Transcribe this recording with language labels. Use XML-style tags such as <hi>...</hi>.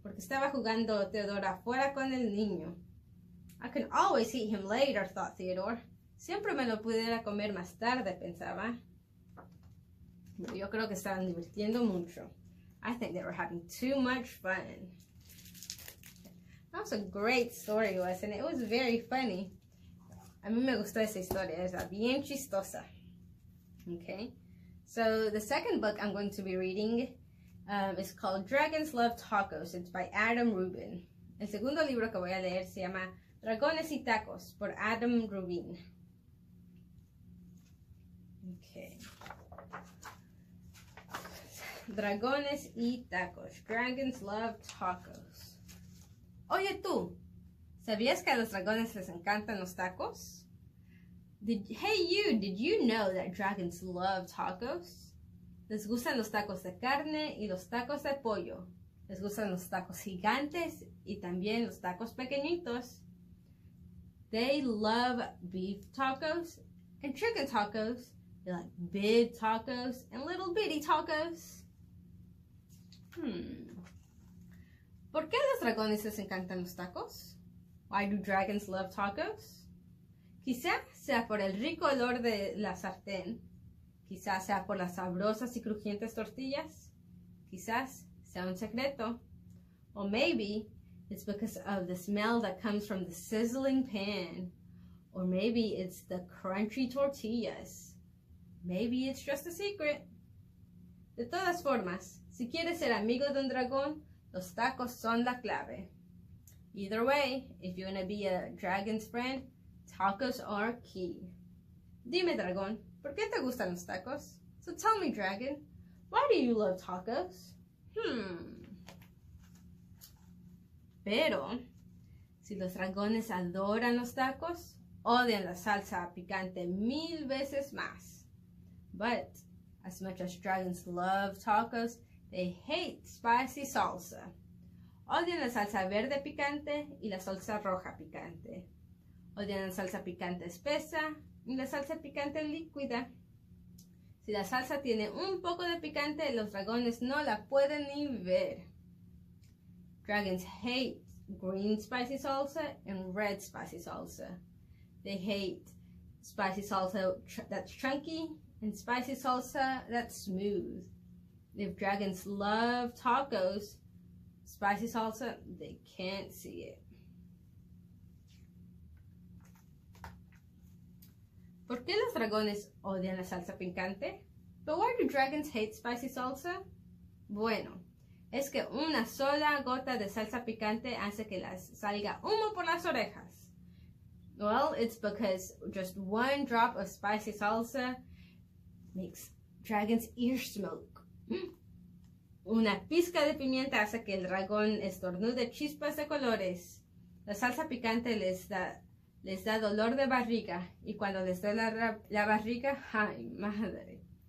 <es>Porque estaba jugando Theodore afuera con el niño.</es> <en>I can always eat him later, thought Theodore.</en> <es>Siempre me lo pudiera comer más tarde, pensaba. Yo creo que estaban divirtiendo mucho.</es> <en>I think they were having too much fun. That was a great story, wasn't it? It was very funny.</en> <es>A mí me gustó esa historia. Era bien chistosa.</es> <en>Okay. So the second book I'm going to be reading is called Dragons Love Tacos. It's by Adam Rubin.</en> <es>El segundo libro que voy a leer se llama Dragones y Tacos por Adam Rubin.</es> <en>Okay.</en> <es>Dragones y Tacos. Dragons Love Tacos. Oye tú, ¿sabías que a los dragones les encantan los tacos?</es> <en>Did you know that dragons love tacos?</en> <es>Les gustan los tacos de carne y los tacos de pollo. Les gustan los tacos gigantes y también los tacos pequeñitos.</es> <en>They love beef tacos and chicken tacos. They like big tacos and little bitty tacos.</en> <es>¿Por qué a los dragones les encantan los tacos?</es> <en>Why do dragons love tacos?</en> <es>Quizá sea por el rico olor de la sartén. Quizá sea por las sabrosas y crujientes tortillas. Quizás sea un secreto.</es> <en>Or maybe it's because of the smell that comes from the sizzling pan. Or maybe it's the crunchy tortillas. Maybe it's just a secret.</en> <es>De todas formas, si quieres ser amigo de un dragón, los tacos son la clave.</es> <en>Either way, if you want to be a dragon's friend, tacos are key.</en> <es>Dime, dragón, ¿por qué te gustan los tacos?</es> <en>So tell me, dragon, why do you love tacos?</en> <es>Pero, si los dragones adoran los tacos, odian la salsa picante mil veces más.</es> <en>But, as much as dragons love tacos, they hate spicy salsa.</en> <es>Odian la salsa verde picante y la salsa roja picante. Odian la salsa picante espesa y la salsa picante líquida. Si la salsa tiene un poco de picante, los dragones no la pueden ni ver.</es> <en>Dragons hate green spicy salsa and red spicy salsa. They hate spicy salsa that's chunky and spicy salsa that's smooth. If dragons love tacos, spicy salsa, they can't see it.</en> <es>¿Por qué los dragones odian la salsa picante?</es> <en>But why do dragons hate spicy salsa?</en> <es>Bueno, es que una sola gota de salsa picante hace que las salga humo por las orejas.</es> <en>Well, it's because just one drop of spicy salsa makes dragons ear smoke.</en> <es>Una pizca de pimienta hace que el dragón estornude chispas de colores. La salsa picante les da dolor de barriga. Y cuando les da la barriga, ¡ay, madre!</es>